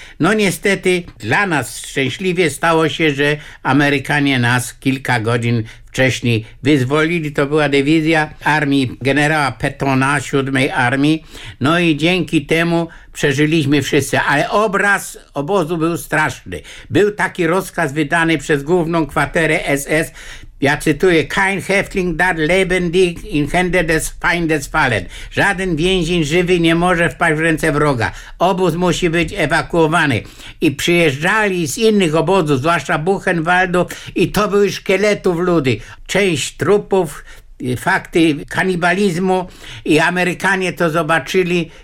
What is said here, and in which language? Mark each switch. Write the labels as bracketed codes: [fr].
[pl] No niestety dla nas szczęśliwie stało się, że Amerykanie nas kilka godzin wcześniej wyzwolili. To była dywizja armii generała Pattona, 7 armii. No i dzięki temu przeżyliśmy wszyscy. Ale obraz obozu był straszny. Był taki rozkaz wydany przez główną kwaterę SS. Ja cytuję: [de] kein Häftling darf lebendig in Hände des Feindes fallen. [pl] Żaden więzień żywy nie może wpaść w ręce wroga. Obóz musi być ewakuowany. I przyjeżdżali z innych obozów, zwłaszcza Buchenwaldu, i to były szkieletów ludzi. Część trupów, fakty kanibalizmu, i Amerykanie to zobaczyli.